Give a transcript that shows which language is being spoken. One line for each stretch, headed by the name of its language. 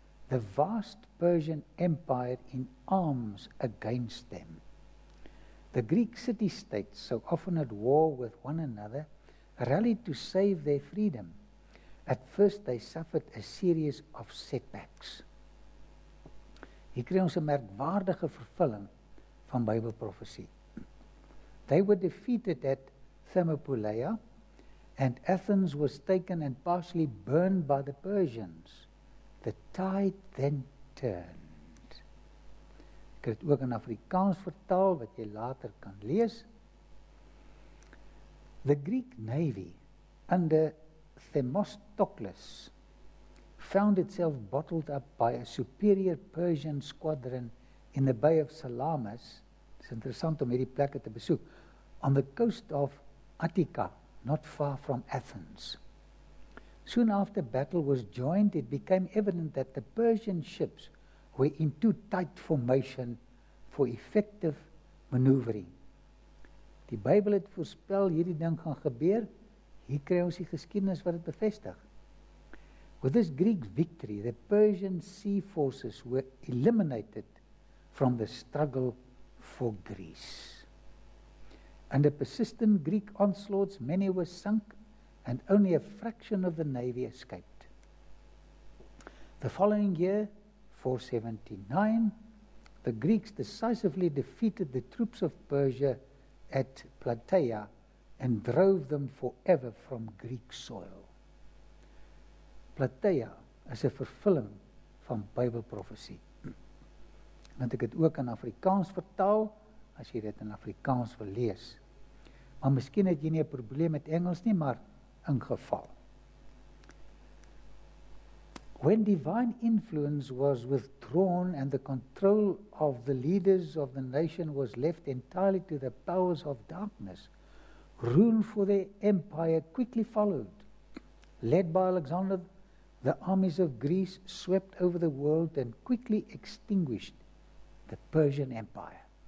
English: the vast Persian Empire in arms against them. The Greek city-states, so often at war with one another, rallied to save their freedom. At first they suffered a series of setbacks.
Afrikaans: Hier kry ons 'n merkwaardige vervulling van Bybelprofesie.
English: They were defeated at Thermopylae, and Athens was taken and partially burned by the Persians. The tide then turned.
Afrikaans: Ek het ook in Afrikaans vertaal wat jy later kan lees.
English: The Greek navy under Themistocles found itself bottled up by a superior Persian squadron in the Bay of Salamis.
Afrikaans: Dis interessant om hierdie plekke te besoek.
English: On the coast of Attica, not far from Athens. Soon after battle was joined, it became evident that the Persian ships were in too tight formation for effective maneuvering.
Afrikaans: Die Bybel het voorspel hierdie ding gaan gebeur. Hier kry ons die geskiedenis wat dit bevestig.
English: With this Greek victory, the Persian sea forces were eliminated from the struggle for Greece. Under persistent Greek onslaughts, many were sunk and only a fraction of the navy escaped. The following year, 479, the Greeks decisively defeated the troops of Persia at Plataea and drove them forever from Greek soil.
Afrikaans: Plataea is 'n vervulling van Bybelprofesie. Want ek het ook in Afrikaans vertaal, as jy dit in Afrikaans wil lees. Maar miskien het jy nie 'n probleem met Engels nie, maar in geval.
English: When divine influence was withdrawn and the control of the leaders of the nation was left entirely to the powers of darkness, ruin for the empire quickly followed. Led by Alexander, the armies of Greece swept over the world and quickly extinguished the Persian Empire.